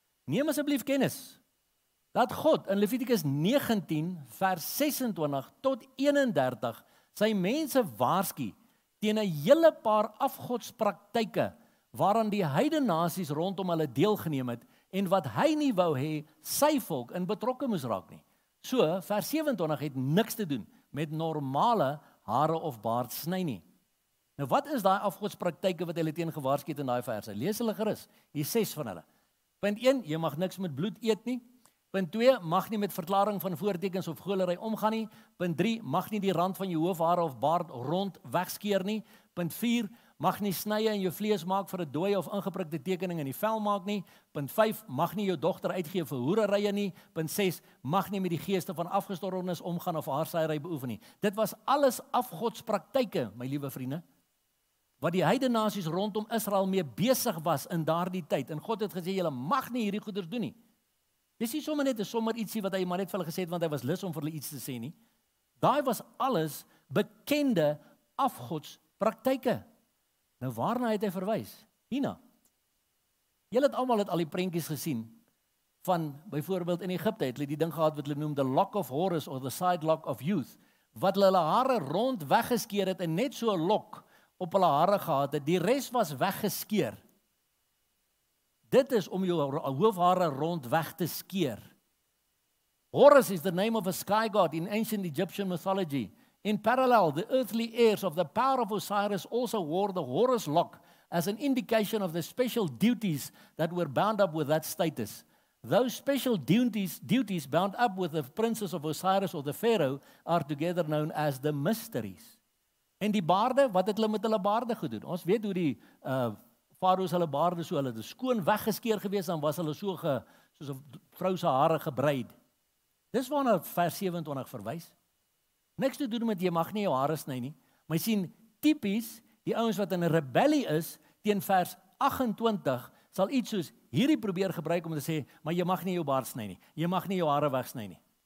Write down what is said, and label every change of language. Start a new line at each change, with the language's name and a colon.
Afrikaans: Neem asseblief kennis, dat God in Levitikus 19 vers 26 tot 31 sy mense waarsku teen 'n hele paar afgodspraktyke waaraan die heidenasies rondom hulle deelgeneem het en wat hy nie wou hê sy volk in betrokke moes raak nie. So vers 27 het niks te doen met normale hare of baard sny nie. Nou wat is daai afgodspraktyke wat hulle teen gewaarsku het in daai verse? Lees hulle gerus, hier ses van hulle. Punt 1, jy mag niks met bloed eet nie. Punt 2, mag nie met verklaring van voortekens of golery omgaan nie. Punt 3, mag nie die rand van jou hoofhare of baard rond wegskeer nie. Punt 4, mag nie snye in jou vlees maak vir 'n dooie of ingeprikte tekening in die vel maak nie. Punt 5, mag nie jou dogter uitgee vir hoererye nie. Punt 6, mag nie met die geeste van afgestorwenes omgaan of haarsaaiery beoefen nie. Dit was alles afgodspraktyke, my liewe vriende, wat die heidenasies rondom Israel mee besig was in daardie tyd. En God het gesê, julle mag nie hierdie goeders doen nie. Dis nie sommer net 'n sommer ietsie wat hy maar net vir hulle gesê het, want hy was lus om vir hulle iets te sê nie. Daai was alles bekende afgodspraktyke. Nou waarna het hy verwys? Hina. Julle het almal al die prentjies gesien van byvoorbeeld in Egipte, het hulle die ding gehad wat hulle noem
English: the lock of Horus of the side lock of youth,
Afrikaans: wat hulle hare rond weggeskeer het en net so 'n lok op hulle hare gehad het, die res was weggeskeer. Dit is om jou hoofhare rond weg te skeer.
English: Horus is the name of a sky god in ancient Egyptian mythology. In parallel, the earthly heirs of the power of Osiris also wore the Horus lock as an indication of the special duties that were bound up with that status. Those special duties bound up with the princes of Osiris or the pharaoh are together known as the mysteries.
Afrikaans: En die baarde, wat het hulle met hulle baarde gedoen? Ons weet hoe die Faro's hulle baarde so, hulle het skoon weggeskeer gewees, dan was hulle so soos 'n vrou se hare gebreid. Dis waarna vers 27 verwys. Niks te doen met jy mag nie jou hare sny nie. Maar sien, tipies, die ouens wat in 'n rebellie is, teen vers 28, sal iets soos hierdie probeer gebruik om te sê, maar jy mag nie jou baard sny nie, jy mag nie jou hare wegsny nie.